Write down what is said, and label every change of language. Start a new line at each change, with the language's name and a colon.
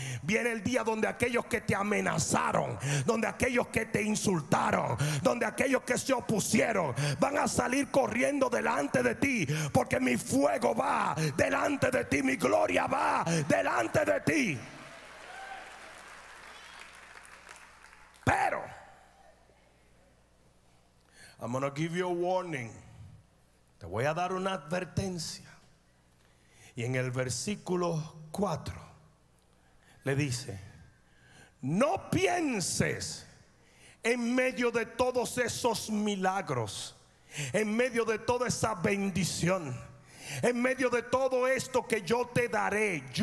Spanish: Viene el día donde aquellos que te amenazaron, donde aquellos que te insultaron, donde aquellos que se opusieron, van a salir corriendo delante de ti. Porque mi fuego va delante de ti, mi gloria va delante de ti.
English: Pero I'm going to give you a warning.
Spanish: Te voy a dar una advertencia. Y en el versículo 4 le dice: no pienses en medio de todos esos milagros, en medio de toda esa bendición, en medio de todo esto que yo te daré.